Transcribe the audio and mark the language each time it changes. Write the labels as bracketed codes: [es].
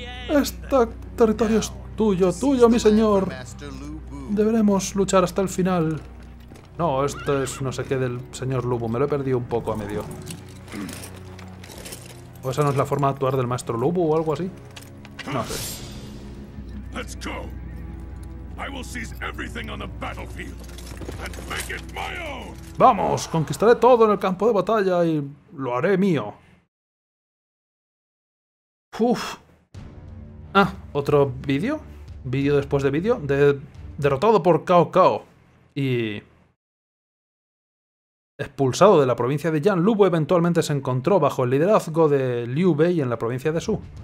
[es] Este territorio es tuyo, tuyo, mi señor. Deberemos luchar hasta el final. No, esto es no sé qué del señor Lubu. Me lo he perdido un poco a medio. ¿O esa no es la forma de actuar del maestro Lubu o algo así? No sé. [en] Let's go. I will seize everything on the battlefield and make it my own. [es] Vamos, conquistaré todo en el campo de batalla y lo haré mío. Uf. Ah, otro vídeo. Vídeo después de vídeo. Derrotado por Cao Cao. Y expulsado de la provincia de Yan, Lubu eventualmente se encontró bajo el liderazgo de Liu Bei en la provincia de Su.